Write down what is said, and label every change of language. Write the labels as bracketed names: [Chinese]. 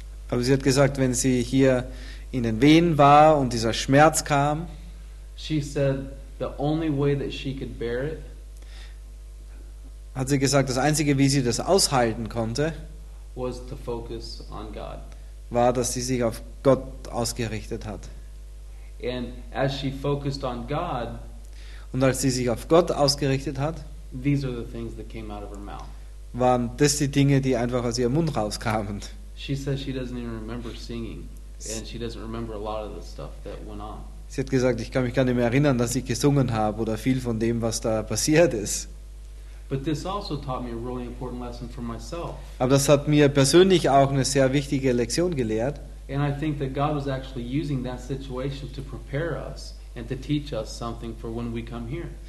[German] Aber sie hat gesagt, wenn sie hier in den Wehen war und dieser Schmerz kam, [English] she said the only way that she could bear it, [German] hat sie gesagt, das Einzige, wie sie das aushalten konnte, [English] was to focus on God. [German] War, dass sie sich auf Gott ausgerichtet hat. [English] And as she focused on God, [German] und als sie sich auf Gott ausgerichtet hat, [English] these are the things that came out of her mouth. [German] Waren das die Dinge, die einfach aus ihrem Mund rauskamen. [English] She says she doesn't even remember singing, and she doesn't remember a lot of the stuff that went on. [German] Sie hat gesagt, ich kann mich gar nicht mehr erinnern, dass ich gesungen habe oder viel von dem, was da passiert ist. [English] But this also taught me a really important lesson for myself. [German] Aber das hat mir persönlich auch eine sehr wichtige Lektion gelehrt. [English] And I think that God was actually using that situation to prepare us and to teach us something for when we come here.